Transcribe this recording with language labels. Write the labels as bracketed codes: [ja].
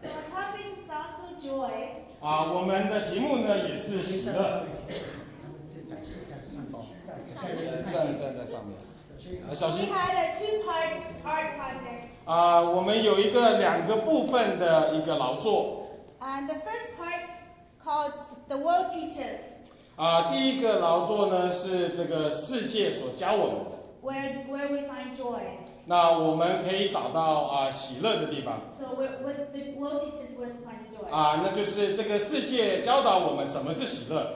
[en] The topic starts with joy. [zh] 我们的题目呢也是喜乐。站在上面。小心。 [en] We had a two-part art project. [zh] 我们有一个两个部分的一个劳作。 [en] And the first part called the world teaches. [zh] 第一个劳作呢是这个世界所教我们的。 [en] Where we find joy. [zh] 那我们可以找到喜乐的地方。 [en] So where the world teaches where to find joy. [zh] 那就是这个世界教导我们什么是喜乐。